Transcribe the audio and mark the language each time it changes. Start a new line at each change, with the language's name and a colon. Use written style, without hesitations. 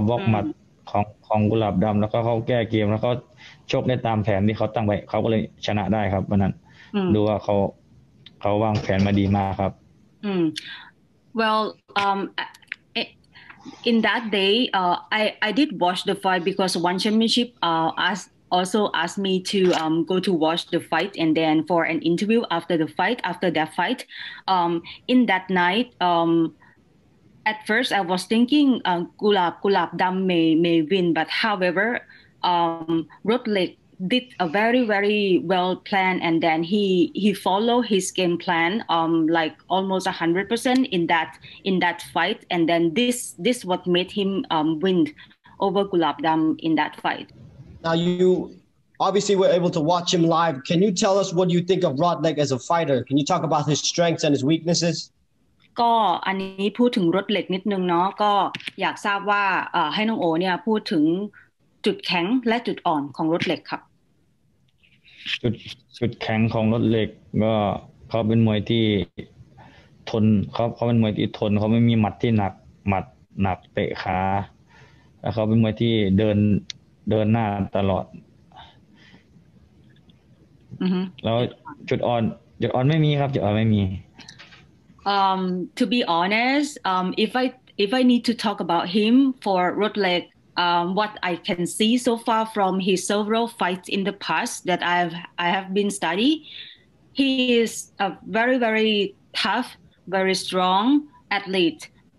Thai: หมัดของกุหลาบดำแล้วก็เขาแก้เกมแล้วก็ชกได้ตามแผนที่เขาตั้งไว้เขาก็เลยชนะได้ครับวันนั้นดูว่าเขาวางแผนมาดีมากครับ
English: Well, in that day, I did watch the fight because ONE Championship also asked me to go to watch the fight and then for an interview after that fight. In that night, at first I was thinking Gulab Dam may win, but however, Rotlik did a very very well plan and then he followed his game plan like almost 100% in that fight, and then this what made him win over Gulab Dam in that fight. Now you obviously were able to watch him live. Can you tell us what you think of Rotlik as a fighter? Can you talk about his strengths and his weaknesses?
Thai: ก็อันนี้พูดถึงรถเหล็กนิดนึงเนาะก็อยากทราบว่าให้น้องโอเนี่ยพูดถึงจุดแข็งและจุดอ่อนของรถเหล็กครับ จุดแข็งของรถเหล็กก็เขาเป็นมวยที่ทนเขาเป็นมวยที่ทนเขาไม่มีหมัดที่หนักหมัดหนักเตะขาแล้วเขาเป็นมวยที่เดินเดินหน้าตลอดแล้วจุดอ่อนไม่มีครับจุดอ่อนไม่มี
English: To be honest, if I need to talk about him for Rotlek, what I can see so far from his several fights in the past that I have been study, he is a very very tough, very strong athlete.